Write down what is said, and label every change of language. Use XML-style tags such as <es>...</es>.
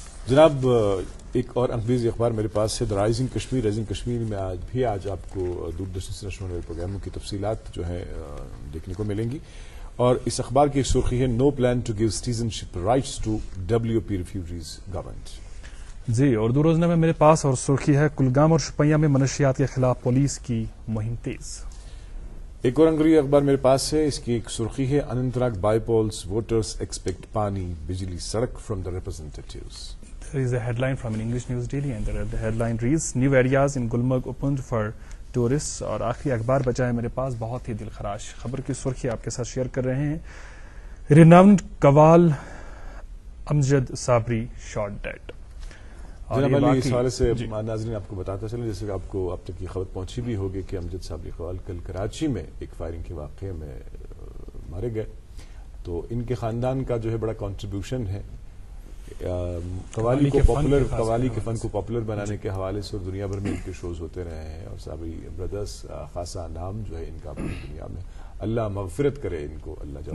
<ur>جناب، ایک اور انگریزی اخبار میرے پاس ہے، the rising Kashmir. Rising Kashmir میں آج بھی آج آپ کو دور درشن سے نشر ہونے والے پروگراموں کی تفصیلات جو ہیں دیکھنے کو ملیں گی، اور اس اخبار کی ایک سرخی ہے،</ur> <en>No plan to give citizenship rights to W P refugees government.</en> <ur>جی، اردو روزنامہ میں میرے پاس اور سرخی ہے، کلگام اور شوپیاں میں منشیات کے خلاف پولیس کی مہم تیز۔ ایک اور انگریزی اخبار میرے پاس ہے، اس کی ایک سرخی ہے،</ur> <en>Anantnag bypolls, voters expect pani bijli sadak from the representatives. There is a headline from an English news daily, and the headline reads, New areas in Gulmarg opened for tourists.</en> <ur>اور آخری اخبار بچا ہے میرے پاس، بہت ہی دلخراش خبر کی سرخی آپ کے ساتھ شیئر کر رہے ہیں،</ur> <en>Renowned qawwal Amjad Sabri shot dead.</en> <ur>جناب علی، اس حوالے سے ناظرین آپ کو بتاتا چلیں، جیسے کہ آپ کو اب تک یہ خبر پہنچی بھی ہوگی کہ امجد صابری قوال کل کراچی میں ایک فائرنگ کے واقعے میں مارے گئے، تو ان کے خاندان کا جو ہے بڑا کانٹریبیوشن ہے قوالی کو پاپولر، قوالی کے فن کو پاپولر بنانے کے حوالے سے، اور دنیا بھر میں ان کے شوز ہوتے رہے ہیں، اور صابری بردس خاصا نام جو ہے ان کا پوری دنیا میں، اللہ مغفرت کرے ان کو، اللہ</ur>